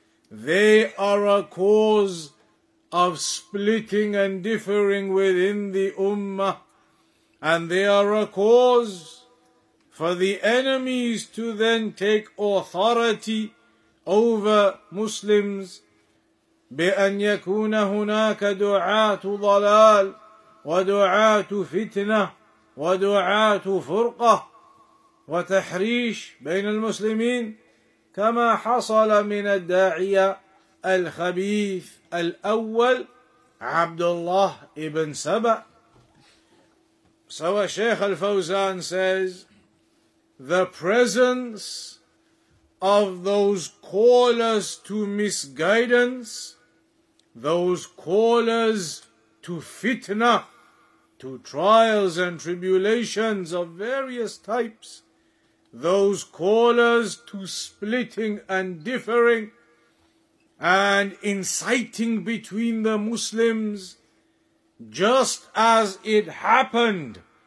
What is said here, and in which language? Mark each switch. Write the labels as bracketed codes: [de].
[en] They are a cause of splitting and differing within the ummah. And they are a cause for the enemies to then take authority over Muslims. [ar] بأن يكون هناك دعاة ضلال ودعاة فتنة ودعاة فرقة وتحريش بين المسلمين كما حصل من الداعية الخبيث الأول عبد الله ابن سبع. [en] So Sheikh Al-Fawzan says, the presence of those callers to misguidance, those callers to fitna, to trials and tribulations of various types, those callers to splitting and differing and inciting between the Muslims, just as it happened